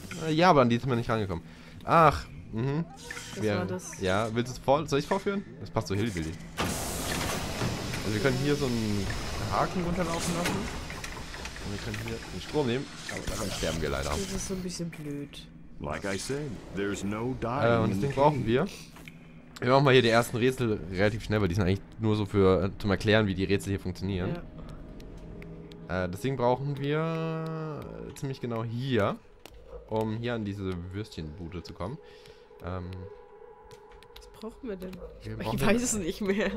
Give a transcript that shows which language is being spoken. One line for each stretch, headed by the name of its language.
German: Ja, aber an die sind wir nicht rangekommen. Ach, mhm. Was war das? Ja, willst du es vor? Soll ich vorführen? Das passt so Hillbilly. Also wir können hier so einen Haken runterlaufen lassen. Und wir können hier den Strom nehmen. Aber dann sterben wir leider. Das ist so ein bisschen blöd.
English: Like I said, there's no dying.
German: Und das Ding brauchen wir. Wir machen mal hier die ersten Rätsel relativ schnell, weil die sind eigentlich nur so für zum Erklären, wie die Rätsel hier funktionieren. Ja. Das Ding brauchen wir ziemlich genau hier, um hier an diese Würstchenbude zu kommen. Was brauchen wir denn? Ich weiß es nicht mehr.